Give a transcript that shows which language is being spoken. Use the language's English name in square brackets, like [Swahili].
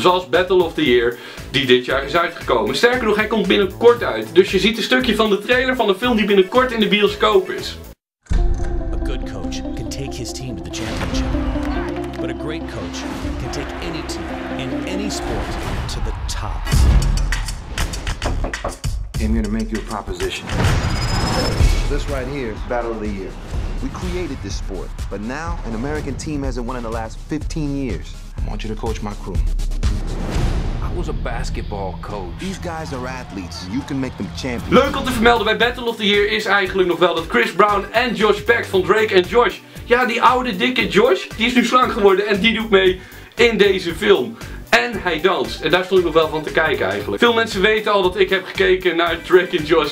[Dutch] Zoals Battle of the Year, die dit jaar is uitgekomen. Sterker nog, hij komt binnenkort uit. Dus je ziet een stukje van de trailer van de film die binnenkort in de bioscoop is. Een goede coach kan zijn team naar de championship. Maar een goede coach kan elk team in elk sport naar de top. [English] I'm here to make you a proposition. This right here is Battle of the Year. We created this sport, but now an American team hasn't won in the last 15 years. I want you to coach my crew. I was a basketball coach. These guys are athletes. You can make them champions. [Dutch] Leuk om te vermelden bij Battle of the Year is eigenlijk nog wel dat Chris Brown en Josh Peck van Drake & Josh. Ja, die oude dikke Josh, die is nu slank geworden en die doet mee in deze film. En hij danst. En daar stond ik nog wel van te kijken eigenlijk. Veel mensen weten al dat ik heb gekeken naar Drake & Josh.